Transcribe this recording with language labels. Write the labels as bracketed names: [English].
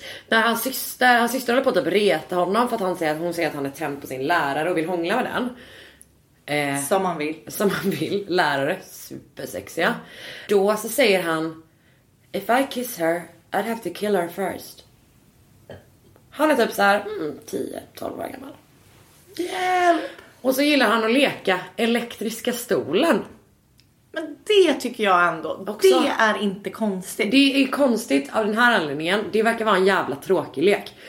[Swedish] hans syster håller på att reta honom för att hon säger att han är tänd på sin lärare och vill hångla med den. Som han vill, lärare, supersexiga. Då så säger han, [English] if I kiss her, I'd have to kill her first. [Swedish] Han är typ såhär 10-12 år gammal. Hjälp. Och så gillar han att leka elektriska stolen. Men det tycker jag ändå också, det är inte konstigt. Det är konstigt av den här anledningen. Det verkar vara en jävla tråkig lek.